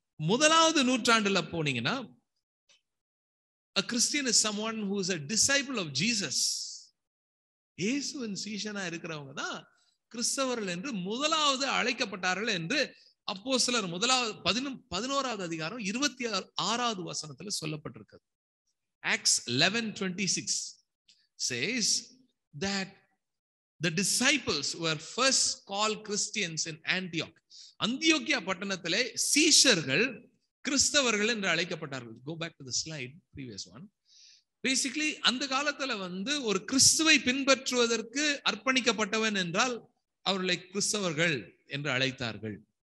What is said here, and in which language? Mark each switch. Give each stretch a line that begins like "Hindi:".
Tamil: முதலாவது நூற்றாண்டுல போனீங்கன்னா
English: a Christian is someone who is a disciple of Jesus.
Tamil: இயேசுவின் சீஷனா இருக்கிறவங்க தான் கிறிஸ்தவர்கள் என்று முதலாவது அழைக்கப்பட்டார்கள் என்று அப்போஸ்தலர் முதலாவது 11:26 சொல்லப்பட்டிருக்கிறது.
English: Acts 11:26 says that the disciples were first called Christians in Antioch.
Tamil: Antioch பட்டணத்திலே சீஷர்கள் கிறிஸ்தவர்கள் என்று அழைக்கப்பட்டார்கள்.
English: Go back to the slide, previous one. Basically,
Tamil: அந்த காலத்துல வந்து ஒரு கிறிஸ்துவை பின்பற்றுவதற்கு அர்ப்பணிக்கப்பட்டவன் என்றால் அவர்களை கிறிஸ்தவர்கள் என்று அழைத்தார்கள்.